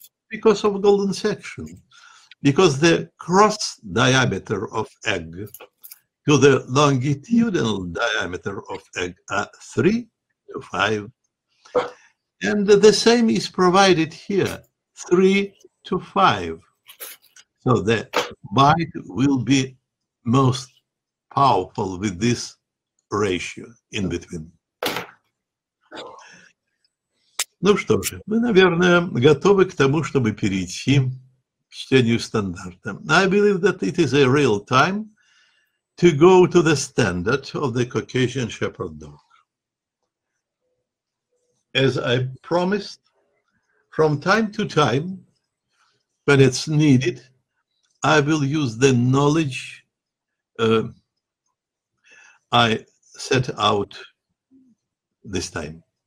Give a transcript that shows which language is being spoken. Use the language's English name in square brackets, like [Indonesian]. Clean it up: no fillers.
[English] Because of golden section. Because the cross diameter of egg to the longitudinal diameter of egg are 3 to 5. And the same is provided here, 3 to 5. So the bite will be most powerful with this ratio in between. [Russian] Ну что же, мы, наверное, готовы к тому, чтобы перейти к чтению стандарта. [English] I believe that it is a real time to go to the standard of the Caucasian Shepherd Dog. As I promised, from time to time, when it's needed, I will use the knowledge I set out this time.